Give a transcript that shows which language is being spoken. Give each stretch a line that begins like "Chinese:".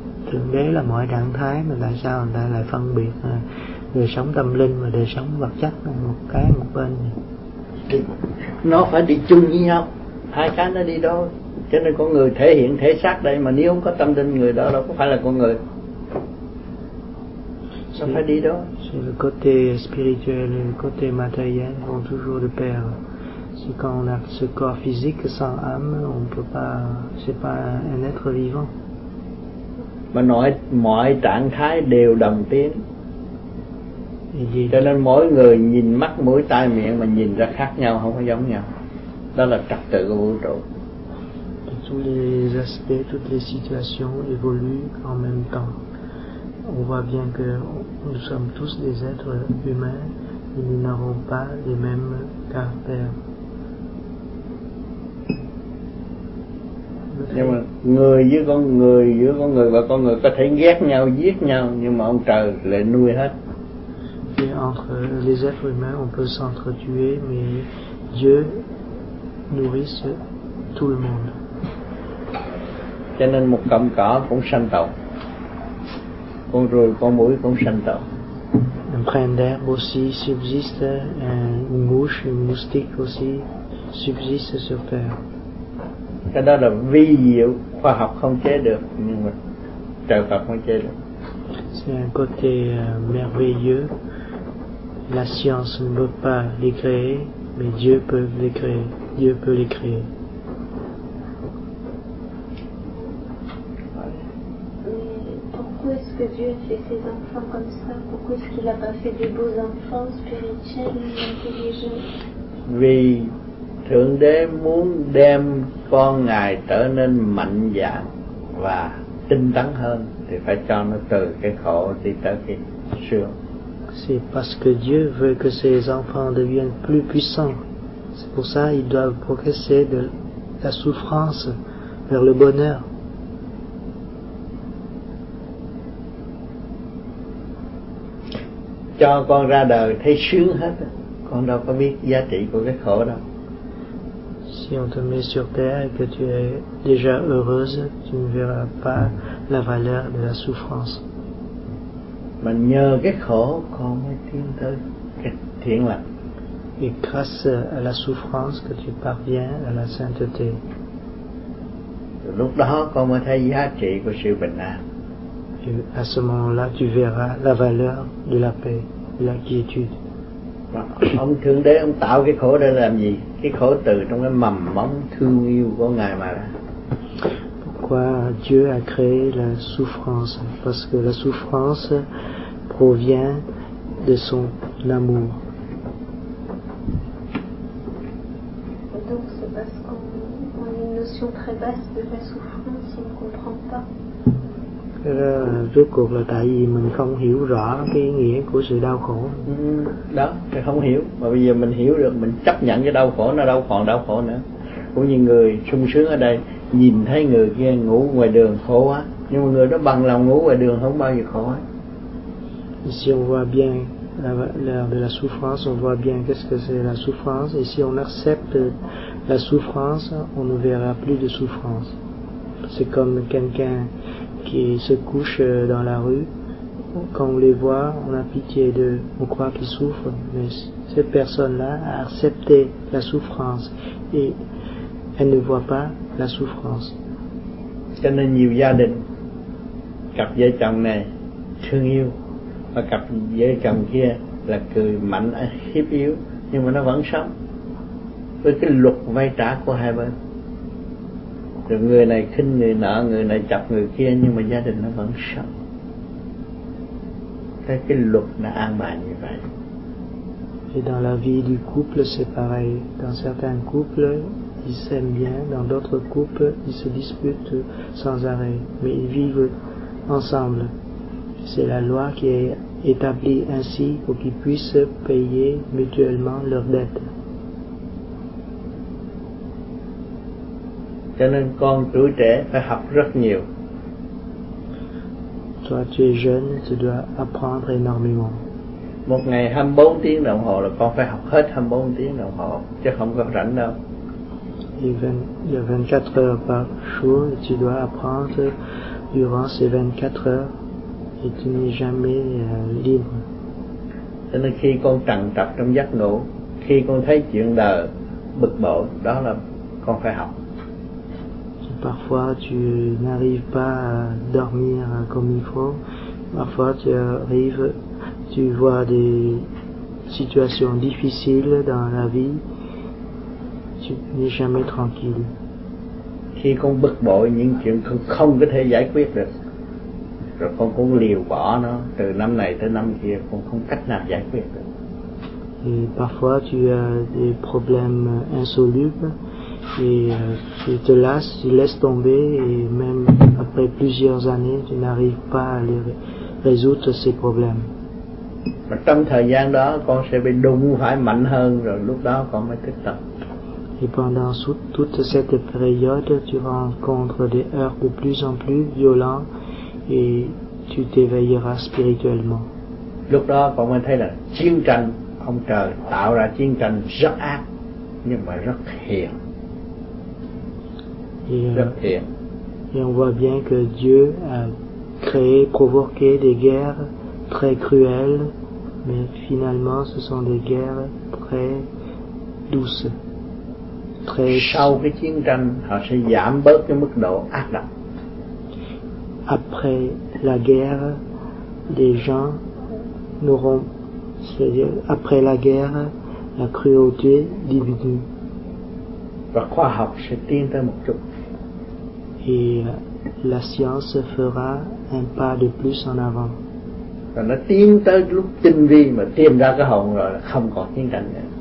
Vietnamese: Thượng Đế là mọi trạng thái, mà tại sao người ta lại phân biệt đời sống tâm linh và đời sống vật chất một cái một bên này? Nó phải đi chung với nhau, hai cái nó đi đôi. Cho nên con người thể hiện thể xác đây, mà nếu không có tâm linh, người đó đâu có phải là con người. Nó phải đi đôi.
French: C'est le côté spirituel et le côté matériel vont toujours de pair. C'est quand on a ce corps physique sans âme, on peut pas, c'est pas un être vivant.
Vietnamese: Mà nói mọi trạng thái đều đồng tiến. Cho nên mỗi người nhìn mắt, mũi, tai, miệng mà nhìn ra khác nhau, không có giống nhau. Đó là trật tự của vũ trụ.
French: Tous les aspects, toutes les situations évoluent en même temps. On voit bien que nous sommes tous des êtres humains et nous n'avons pas les mêmes caractères.
Vietnamese: Nhưng mà người với con người có thể ghét nhau, giết nhau, nhưng mà ông trời lại nuôi hết.
French: Et entre les êtres humains, on peut s'entretuer, mais Dieu nourrit tout le monde.
Vietnamese: Cho nên một cọng cỏ cũng sanh tàu, con ruồi, con muỗi cũng sanh tàu.
French: Un brin d'herbe aussi subsiste, une mouche, une moustique aussi subsiste sur terre.
Vietnamese: Cái đó là vi diệu, khoa học không chế được, nhưng mà trời Phật không chế được.
French: C'est un côté merveilleux. La science ne peut pas les créer, mais Dieu peut les créer. Dieu peut les créer. Mais pourquoi est-ce que Dieu fait ses enfants comme ça? Pourquoi est-ce qu'il n'a pas fait des beaux enfants spirituels et intelligents?
Vietnamese: Vì Thượng Đế muốn đem con Ngài trở nên mạnh dạn và tinh tấn hơn, thì phải cho nó từ cái khổ đi tới cái sướng.
French: C'est parce que Dieu veut que ses enfants deviennent plus puissants. C'est pour ça qu'ils doivent progresser de la souffrance vers le bonheur.
Vietnamese: Cho con ra đời thấy sướng hết, con đâu có biết giá trị của cái khổ đâu.
French: Si on te met sur terre et que tu es déjà heureuse, tu ne verras pas la valeur de la souffrance.
Vietnamese: Mà nhờ cái khổ con mới tiến tới cái thiện lành.
French: Et grâce à la souffrance que tu parviens à la sainteté.
Vietnamese: Lúc đó con mới thấy giá trị của sự bình an.
French: À ce moment-là, tu verras la valeur de la paix, de la quiétude.
Vietnamese: Mà ông Thượng Đế ông tạo cái khổ để làm gì? Cái khổ từ trong cái mầm mống thương yêu của Ngài mà ra.
French: Dieu a créé la souffrance parce que la souffrance provient de son amour. Donc c'est parce qu'on a une notion très basse de la souffrance, on ne comprend pas.
Vietnamese: Rốt cuộc là tại vì mình không hiểu rõ cái nghĩa của sự đau khổ. Đó, mình không hiểu, mà bây giờ mình hiểu được, mình chấp nhận cái đau khổ, nó đâu còn đau khổ nữa. Cũng như người sung sướng ở đây nhìn thấy người kia ngủ ngoài đường khổ quá, nhưng mà người đó bằng lòng ngủ ngoài đường không bao giờ khổ.
French: Si on voit bien l'air de la souffrance, on voit bien qu'est-ce que c'est la souffrance, et si on accepte la souffrance, on ne verra plus de souffrance. C'est comme quelqu'un qui se couche dans la rue, quand on les voit, on a pitié d'eux, on croit qu'ils souffrent, mais cette personne-là a accepté la souffrance, et elle ne voit pas la souffrance.
Vietnamese: Cho nên nhiều gia đình cặp vợ chồng này thương yêu, và cặp vợ chồng kia là cười mạnh hiếp yếu, nhưng mà nó vẫn sống với cái luật vay trả của hai bên. Rồi người này khinh người nợ, người này chọc người kia, nhưng mà gia đình nó vẫn sống. Thế cái luật nó an bài như vậy.
French: Et dans la vie du couple, c'est pareil. Dans certains couples, ils s'aiment bien. Dans d'autres couples, ils se disputent sans arrêt. Mais ils vivent ensemble. C'est la loi qui est établie ainsi pour qu'ils puissent payer mutuellement leurs dettes.
Vietnamese: Cho nên con tuổi trẻ phải học rất nhiều.
French: Toi, tu es jeune, tu dois apprendre énormément.
Vietnamese: Một ngày 24 tiếng đồng hồ là con phải học hết 24 tiếng đồng hồ, chứ không có rảnh đâu.
French: Il y a 24 heures par jour et tu dois apprendre durant ces 24 heures et tu n'es jamais libre.
Vietnamese: Cho nên khi con trằn trọc trong giấc ngủ, khi con thấy chuyện đời bực bội, đó là con phải học.
French: Et parfois tu n'arrives pas à dormir comme il faut, parfois tu arrives, tu vois des situations difficiles dans la vie, tu n'es jamais tranquille.
Vietnamese: Khi con bực bội những chuyện con không có thể giải quyết được, rồi con cũng liều bỏ nó, từ năm này tới năm kia con không cách nào giải quyết được.
French: Et parfois tu as des problèmes insolubles et tu te lasses, tu laisses tomber, et même après plusieurs années tu n'arrives pas à les résoudre ces problèmes.
Vietnamese: Mà trong thời gian đó con sẽ bị đụng phải mạnh hơn, rồi lúc đó con mới thức tâm.
French: Et pendant toute cette période, tu rencontres des heurts de plus en plus violents et tu t'éveilleras spirituellement.
Vietnamese: Lúc đó, con mới thấy là chiến tranh, ông trời tạo ra chiến tranh rất ác, nhưng mà rất hiền.
French: Et on voit bien que Dieu a créé, provoqué des guerres très cruelles, mais finalement, ce sont des guerres très douces.
Vietnamese: Sau cái chiến tranh họ sẽ giảm bớt cái mức độ ác độc.
French: Après la guerre, les gens n'auront, c'est-à-dire après la guerre, la cruauté diminue.
Vietnamese: Và khoa học sẽ tiến tới một chút.
French: Et la science fera un pas de plus en avant.
Vietnamese: Và nó tiến tới lúc tinh vi mà tìm ra cái hồn rồi không còn chiến tranh nữa.